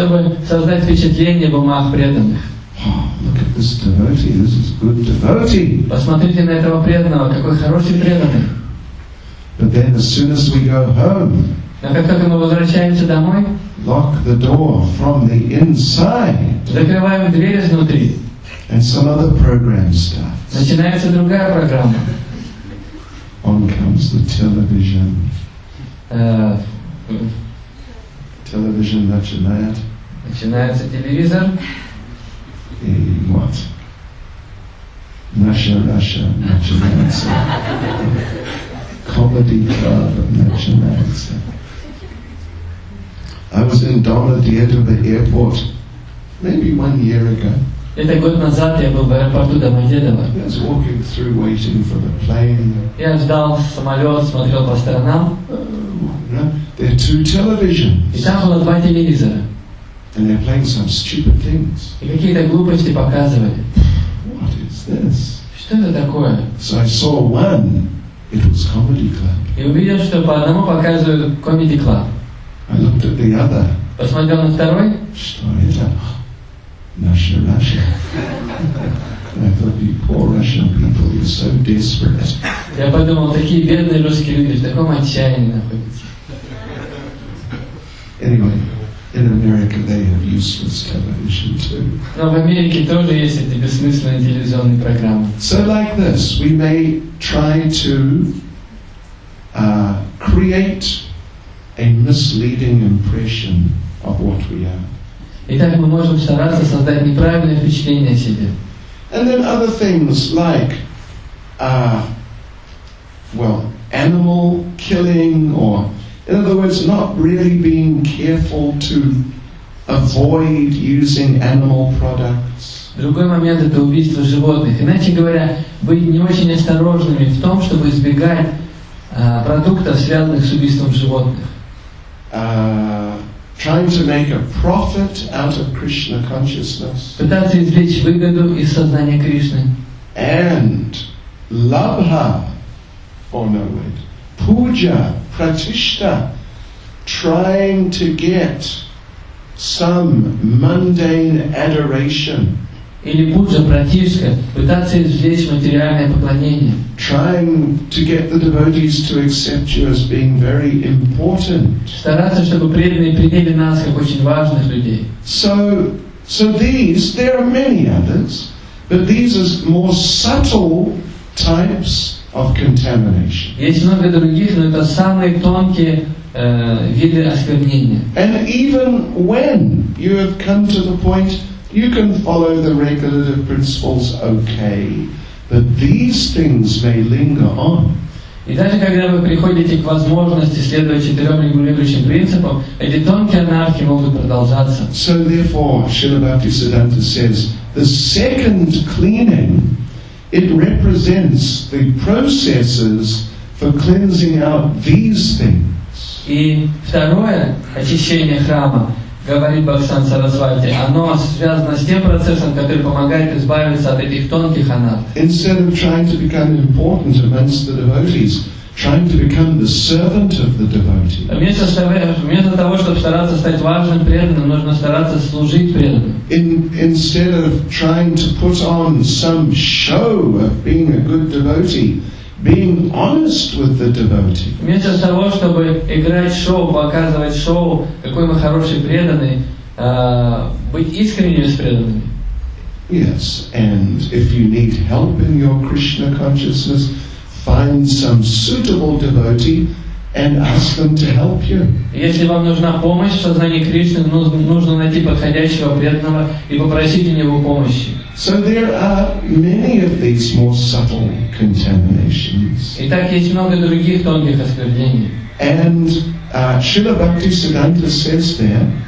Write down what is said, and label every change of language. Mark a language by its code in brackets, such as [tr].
[ru] Чтобы создать впечатление в умах преданных. [en] Look at this devotee. This is good devotee. [ru] Посмотрите на этого преданного, какой хороший преданный. [en] But then, as soon as we go home. [ru] Но как только мы возвращаемся домой. [en] Lock the door from the inside. [ru] Закрываем дверь изнутри. [en] And some other program starts. [ru] Начинается другая программа. [en] On comes the television. [ru] Television начинает. Начинается телевизор. И вот. Наша Раша начинается. Comedy Club начинается. [en] I was in Dona Dietova Airport maybe 1 year ago. [ru] Это год назад я был в аэропорту Домодедово. [en] I was walking through waiting for the plane. [ru] Я ждал самолет, смотрел по сторонам. [en] There are two televisions. [ru] И там было два телевизора. [en] And they're playing some stupid things. [ru] И какие-то глупости показывали. [en] What is this? [ru] Что это такое? [en] So I saw one. It was Comedy Club. [ru] И увидел, что по одному показывают Comedy Club. [en] I looked at the other. [ru] Посмотрел на второй. Что это? Наша Раша. [en] I thought you poor Russian people, you're so desperate. [ru] Я подумал, такие бедные русские люди в таком отчаянии находятся. [en] Anyway, In America they have useless television too. [ru] Но в Америке тоже есть эти бессмысленные телевизионные программы. [en] So like this, we may try to create a misleading impression of what we are. [ru] Итак, мы можем стараться создать неправильное впечатление о себе. [en] And then other things like, animal killing, or, in other words, not really being careful to avoid using animal products. [ru] Другой момент – это убийство животных. Иначе говоря, быть не очень осторожными в том, чтобы избегать продуктов, связанных с убийством животных. [en] Trying to make a profit out of Krishna consciousness. [ru] Пытаться извлечь выгоду из сознания Кришны. [en] And labha, or no wait, puja, pratishta, trying to get some mundane adoration. [ru] Или пуджа, пратишка, пытаться извлечь материальное поклонение. [en] Trying to get the devotees to accept you as being very important. [ru] Стараться, чтобы преданные приняли нас как очень важных людей. [en] So these, there are many others, but these are more subtle types of contamination. [ru] Есть много других, но это самые тонкие виды осквернения. [en] And even when you have come to the point you can follow the regulative principles okay, but these things may linger on. [ru] И даже когда вы приходите к возможности следовать четырем регулирующим принципам, эти тонкие анархии могут продолжаться. [en] So therefore, Srila Bhaktisiddhanta says, the second cleaning, it represents the processes for cleansing out these things. [ru] И второе очищение храма, говорит Бхагаван Сарасвати, оно связано с тем процессом, который помогает избавиться от этих тонких анархий. [en] Instead of trying to become important amongst the devotees, trying to become the servant of the devotees. [ru] Вместо того, чтобы стараться стать важным преданным, нужно стараться служить преданным. [en] Instead of trying to put on some show of being a good devotee, being honest with the devotee. [ru] Вместо того, чтобы играть шоу, показывать шоу, какой мы хороший преданный, быть искренним с преданными. [en] Yes, and if you need help in your Krishna consciousness, find some suitable devotee and ask them to help you. [ru] Если вам нужна помощь в сознании Кришны, нужно найти подходящего преданного и попросить у него помощи. [en] So there are many of these more subtle contaminations. [ru] Итак, есть много других тонких осквернений. [en] And Srila Bhaktisiddhanta says there.